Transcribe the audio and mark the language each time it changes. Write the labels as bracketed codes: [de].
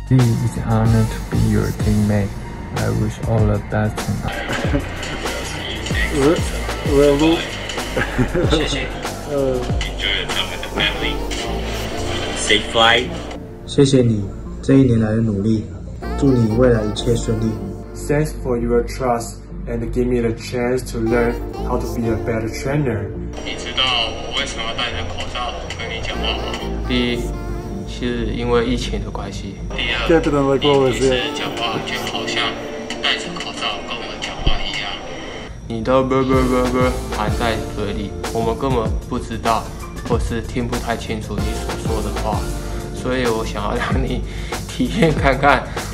[en] He is honored to be your teammate. I wish all the best tonight. Well, well, [zh] 谢谢你。 [en] Enjoy the family. Safe flight. [zh] 谢谢你这一年来的努力，祝你未来一切顺利。 [en] Thanks for your trust and give me the chance to learn how to be a better trainer. [zh] 你知道我为什么要戴着口罩跟你讲话吗？第一。是因为疫情的关系。第二，你讲话就好像戴着口罩跟我讲话一样。你的不含在嘴里，我们根本不知道，或是听不太清楚你所说的话，所以我想要让你体验看看，